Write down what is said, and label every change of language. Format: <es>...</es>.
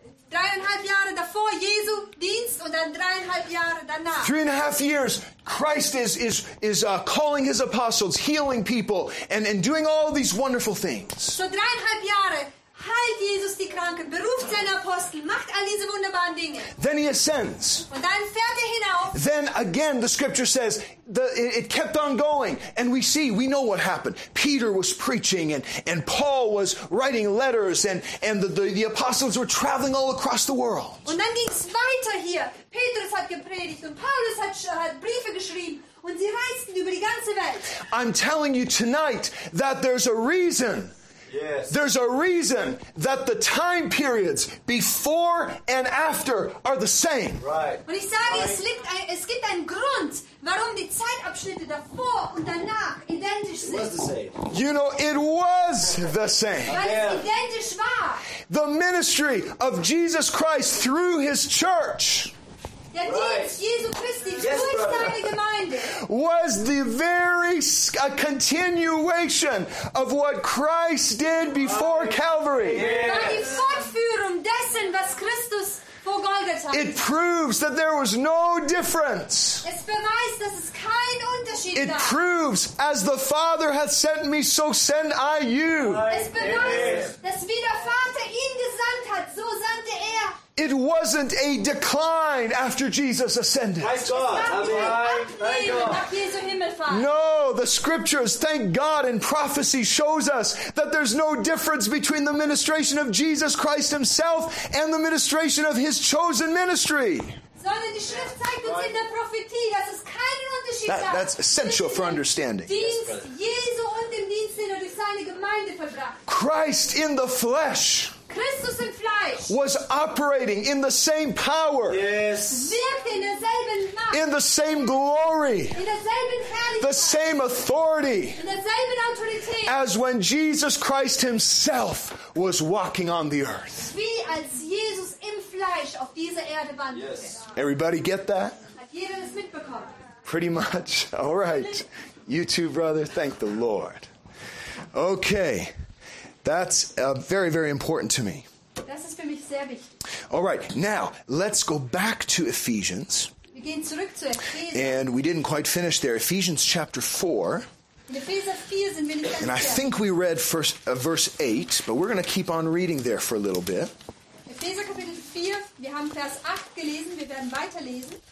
<de>3.5 Jahre davor Jesu Dienst und dann 3.5 Jahre danach.</de> <en>3.5 years, Christ is calling his apostles, healing people, and doing all these wonderful things.</en> <de>So 3.5 Jahre heilt Jesus die Kranken, beruft seine Apostel, macht all diese wunderbaren Dinge.</de> <en>Then he ascends.</en> <de>Und dann fährt er hinauf.</de> <en>Then again, the scripture says, it kept on going, and we know what happened. Peter was preaching, and Paul was writing letters, and the apostles were traveling all across the world.</en> <de>Und dann ging's weiter hier. Petrus hat gepredigt, und Paulus hat Briefe geschrieben, und sie reisten über die ganze Welt.</de> <en>I'm telling you tonight that there's a reason. Yes. There's a reason that the time periods before and after are the same. Right.</en> <de>Und ich sage, es gibt einen Grund, warum die Zeitabschnitte davor und danach identisch sind.</de> <en>It was the same. You know, it was the same.</en> <de>Weil es identisch war.</de> <en>The ministry of Jesus Christ through his church.</en> <de>Der Dienst Jesu Christi durch seine Gemeinde</de> <en>was the very a continuation of what Christ did before Calvary.</en> <de>War die Fortführung dessen, was Christus vor Golgatha tat.</de> <en>It proves that there was no difference.</en> <de>Es beweist, dass es keinen Unterschied gab.</de> <en>It proves, as the Father hath sent me, so send I you.</en> <de>Es beweist, dass wie der Vater ihn gesandt hat, so sandte er.</de> <en>It wasn't a decline after Jesus ascended. No, the scriptures, thank God, in prophecy shows us that there's no difference between the ministration of Jesus Christ himself and the ministration of his chosen ministry.</en> <de>Sondern die Schrift zeigt uns in der Prophetie, dass es keinen Unterschied gibt.</de> <en>That's essential for understanding.</en> <de>Dienst Jesu und dem Dienst, den er durch seine Gemeinde verbracht.</de> <en>Christ in the flesh.</en> <de>Christus im Fleisch.</de> <en>Was operating in the same power. Yes.</en> <de>Wirkte in derselben Macht.</de> <en>In the same glory.</en> <de>In derselben Herrlichkeit.</de> <en>The same authority.</en> <de>In derselben Autorität.</de> <en>As when Jesus Christ himself was walking on the earth.</en> <de>Wie als Jesus im Fleisch auf dieser Erde wandelte.</de> <en>Yes. Everybody get that?</en> <de>Hat jeder das mitbekommen?</de> <en>Pretty much. All right. You too, brother. Thank the Lord. Okay. That's very, very important to me.</en> <de>Das ist für mich sehr wichtig.</de> <en>All right, now let's go back to Ephesians.</en> <de>Wir gehen zurück zu Ephesians.</de> <en>And we didn't quite finish there. Ephesians chapter 4.</en> <de>In Epheser 4 sind wir nicht</de> <en>ganz. And I think we read first verse 8, but we're going to keep on reading there for a little bit.</en> <de>Epheser Kapitel 4, wir haben Vers 8 gelesen, wir werden weiterlesen.</de>